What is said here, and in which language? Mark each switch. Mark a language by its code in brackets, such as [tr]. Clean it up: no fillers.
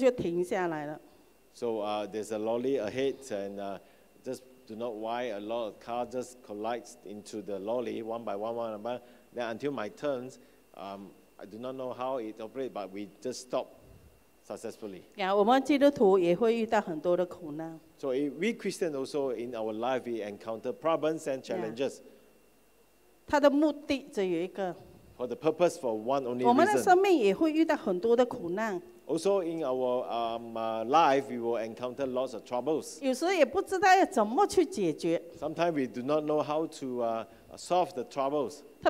[zh] 前面讲大楼里也不知道为什么，后面的几辆车撞向他，哇，一辆嘣嘣嘣嘣，到我的时候呢，我的车就停下来了。So [en] there's a lorry ahead, and just do not why a lot of cars just collides into the lorry one by one. Then until my turns, I do not know how it operates, but we just stop successfully. [zh] Yeah, 我们基督徒也会遇到很多的苦难。 [en] So we Christians also in our life we encounter problems and challenges. [zh] Yeah. 他的目的只有一个, [en] for the purpose for one only reason. [zh] 我们的生命也会遇到很多的苦难。 [en] Also in our life we will encounter lots of troubles. [zh] 有时也不知道要怎么去解决。 [en] Sometimes we do not know how to solve the troubles.